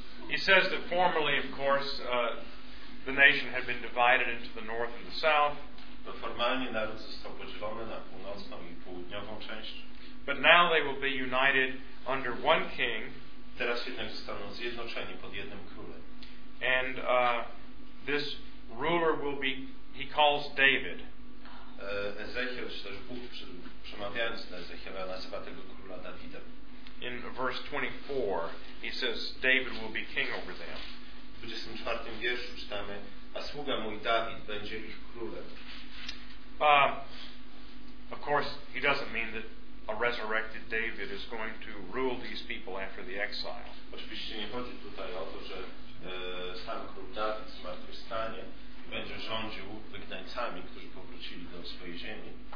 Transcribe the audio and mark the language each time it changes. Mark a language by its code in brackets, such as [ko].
[en] He says that formerly, of course, The nation had been divided into the north and the south. [pl] To formalnie naród został podzielony na północną i południową część. [en] But now they will be united under one king. [pl] Teraz jednak zostaną zjednoczeni pod jednym królem. [en] And this ruler will be, he calls David. [pl] Ezechiel, czy też Bóg przemawiając do Ezechiela, nazywa tego króla Dawidem. [en] In verse 24, he says, David will be king over them. [pl] W 24 wierszu czytamy, a sługa mój Dawid będzie ich królem. [en] Of course, he doesn't mean that a resurrected David is going to rule these people after the exile. [pl] Oczywiście nie chodzi tutaj o to, że sam król Dawid zmartwychwstanie i będzie rządził wygnańcami, którzy powrócili do swojej ziemi.